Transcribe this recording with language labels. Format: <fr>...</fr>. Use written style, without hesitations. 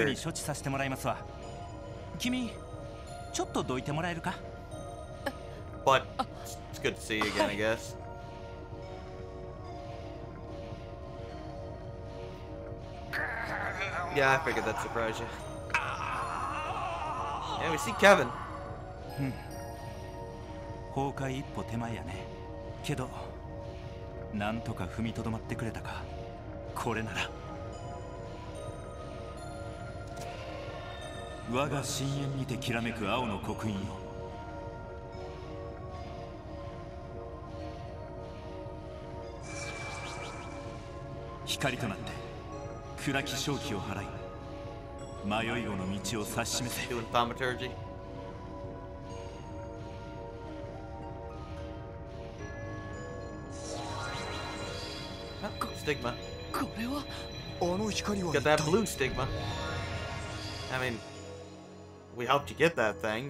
<ja>すぐに処置させてもらいますわ。君、ちょっとどいてもらえるか？</ja> <en>But it's good to see you again, I guess. Yeah, I figured that'd surprise you. Yeah, we see Kevin.</en> <ja>崩壊一歩手前やね。けど、なんとか踏みとどまってくれたか。これなら、我が深淵にてきらめく青の刻印を。光となって、暗き正気を払い。迷い子の道を指し示せ。ドゥマトルジー。あ、スティグマ。これは。あの光は。</ja> <en>Got that blue stigma. I mean, we helped you get that thing.</en>